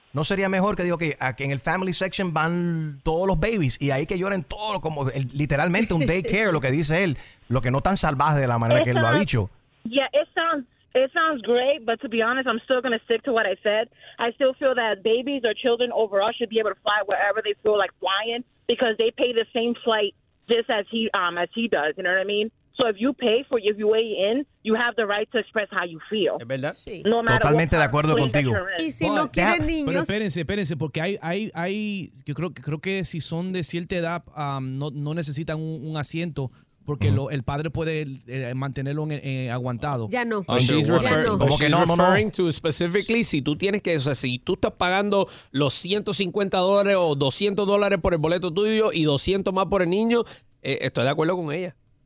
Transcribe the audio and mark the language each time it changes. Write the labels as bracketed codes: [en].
[es] ¿No sería mejor que digo que en el [en] family section [es] van todos los [en] babies [es] y ahí que lloren todos, como literalmente un daycare, lo que dice él, lo que no tan salvaje de la manera que él lo ha dicho? [en] Yeah, it sounds great, but to be honest, I'm still going to stick to what I said. I still feel that babies or children overall should be able to fly wherever they feel like flying because they pay the same flight just as he does, you know what I mean? So if you pay for, if you weigh in, you have the right to express how you feel. [es] ¿Es verdad? Sí. [en] No matter [es] totalmente de acuerdo contigo. Y si no quieren niños... Pero espérense, porque hay yo creo que si son de cierta edad, no necesitan un asiento, porque el padre puede mantenerlo aguantado. Ya no. [en] Referring to specifically, [es] si tú tienes que, o sea, si tú estás pagando los $150 o $200 por el boleto tuyo y 200 más por el niño, estoy de acuerdo con ella.